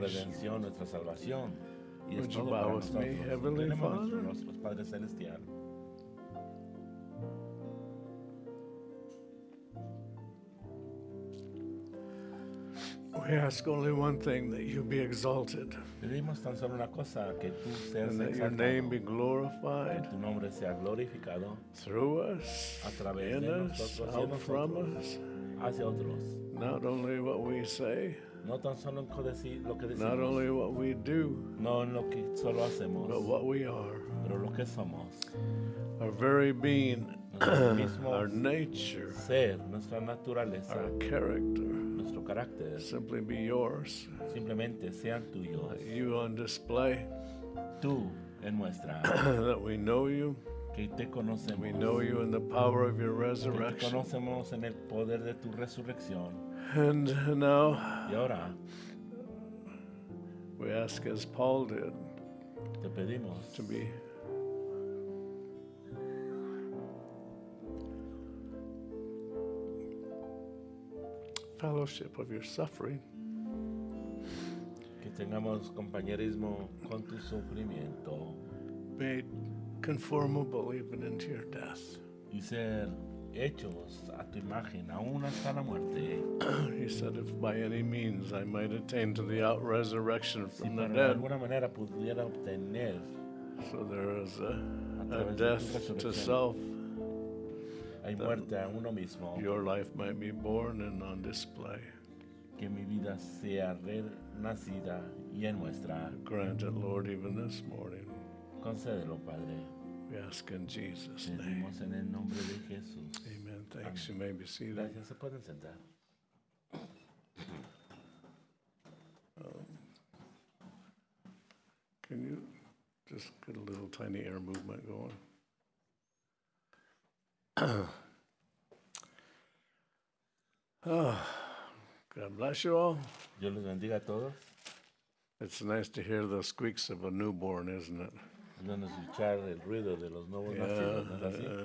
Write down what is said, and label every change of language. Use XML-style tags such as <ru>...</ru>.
<es>Nuestra redención, nuestra salvación. Y es todo para nosotros.</es> <en>Heavenly Father,</en> <es>nuestros padres celestiales.</es> <en>We ask only one thing, that you be exalted.</en> <es>Pedimos tan solo una cosa, que tú seas</es> <en>and that</en> <es>exaltado,</es> <en>your name be glorified,</en> <es>que tu nombre sea glorificado,</es> <en>through us,</en> <es>a través</es> <en>in</en> <es>de</es> <en>us,</en> <es>nosotros,</es> <en>out from us,</en> <es>hacia otros.</es> <en>Not only what we say,</en> <es>no tan solo lo que decimos,</es> <en>not only what we do,</en> <es>no en lo que solo hacemos,</es> <en>but what we are,</en> <es>pero lo que somos.</es> <en>Our very being,</en> <es>mismos,</es> <en>our nature,</en> <es>ser, nuestra naturaleza,</es> <en>our character,</en> <es>carácter.</es> <en>Simply be yours.</en> <es>Simplemente sean tuyos.</es> <en>You on display.</en> <es>Tú en muestra.</es> <en>That we know you.</en> <es>Que te conocemos.</es> <en>We know you in the power of your resurrection.</en> <es>Que te conocemos en el poder de tu resurrección.</es> <en>And now.</en> <es>Y ahora.</es> <en>We ask as Paul did.</en> <es>Te pedimos.</es> <en>To be. Fellowship of your suffering.</en> <es>Que tengamos compañerismo con tu sufrimiento.</es> <en>Made conformable even into your death.</en> <es>Y ser hechos a tu imagen, aún hasta la muerte.</es> <en>He said, if by any means I might attain to the out resurrection from the dead.</en> <es>De alguna manera pudiera obtener.</es> <en>So there is a death to self.</en> <es>Hay muerte a uno mismo.</es> <en>Your life might be born and on display.</en> <es>Que mi vida sea renacida y en muestra.</es> <en>Grant it, Lord, even this morning.</en> <es>Concédelo, Padre.</es> <en>We ask in Jesus' name.</en> <es>Pedimos en el nombre de Jesús.</es> <en>Amen. Thanks. Amen. You may be seated.</en> <es>Gracias. Se pueden sentar.</es> <en>Can you just get a little tiny air movement going? God bless you all.</en> <es>Dios les bendiga a todos.</es> <en>It's nice to hear the squeaks of a newborn, isn't it?</en> <es>No escuchar el ruido de los nuevos nacidos.</es>